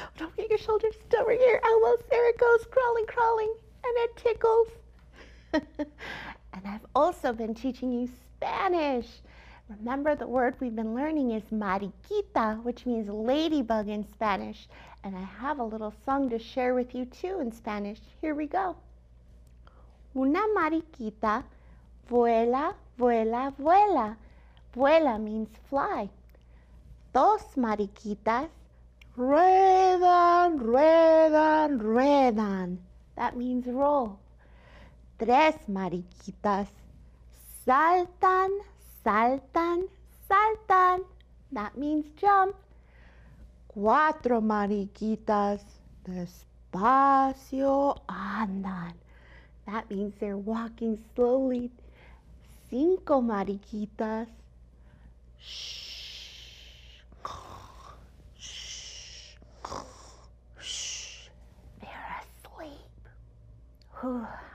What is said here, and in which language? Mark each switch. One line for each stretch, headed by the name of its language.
English: Don't get your shoulders over your elbows. There it goes, crawling, crawling, and it tickles. And I've also been teaching you Spanish. Remember, the word we've been learning is mariquita, which means ladybug in Spanish. And I have a little song to share with you too in Spanish. Here we go.
Spanish: Una mariquita vuela, vuela, vuela.
English: Vuela means fly.
Spanish: Dos mariquitas ruedan, ruedan, ruedan.
English: That means roll.
Spanish: Tres mariquitas saltan, saltan, saltan.
English: That means jump.
Spanish: Cuatro mariquitas despacio andan.
English: That means they're walking slowly.
Spanish: Cinco mariquitas shh, shh, shh.
English: They're asleep. Whew.